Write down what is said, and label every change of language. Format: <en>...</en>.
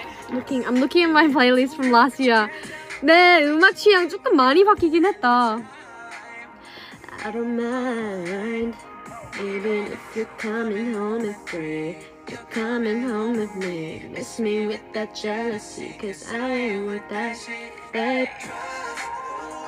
<en>looking, I'm looking at my playlist from last year.</en> <ko>네, 음악 취향 조금 많이 바뀌긴 했다.</ko> <en>I don't mind, even if you're coming home at three. You're coming home with me, miss me with that jealousy, cause I ain't with that, that.</en>